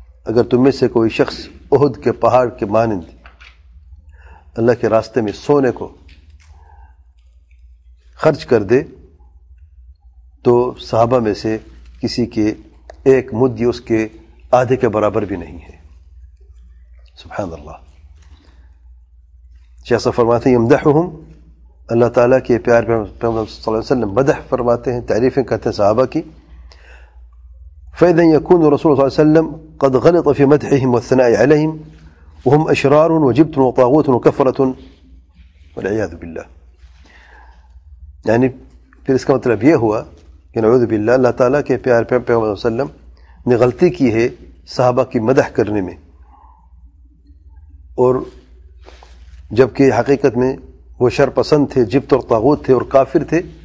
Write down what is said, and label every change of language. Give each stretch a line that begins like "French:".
Urdu: اگر تم میں سے کوئی شخص احد کے پہاڑ کے مانند اللہ کے راستے میں سونے کو خرچ کر دے، تو صحابہ میں سے کسی کے ایک مد اس کے آدھے کے برابر بھی نہیں ہے. سبحان اللہ. شیخ صاحب فرماتے ہیں، یمدحهم، اللہ تعالیٰ کے پیار پیغمبر صلی اللہ علیہ وسلم مدح فرماتے ہیں، تعریفیں کرتے ہیں صحابہ کی.
Arabic: فإذا يكون رسول صلی اللہ علیہ وسلم قد غلط في مدحهم والثناء عليهم وهم اشرار وجبت وطاغوت وكفرة والعياذ بالله.
Urdu: یعنی پھر اس کا مطلب یہ ہوا کہ نعوذ باللہ اللہ تعالیٰ کے پیار پیغمبر صلی اللہ علیہ وسلم نے غلطی کی ہے صحابہ کی مدح کرنے میں، اور جبکہ حقیقت میں وہ شر پسند تھے، جبت اور طاغوت تھے اور کافر تھے،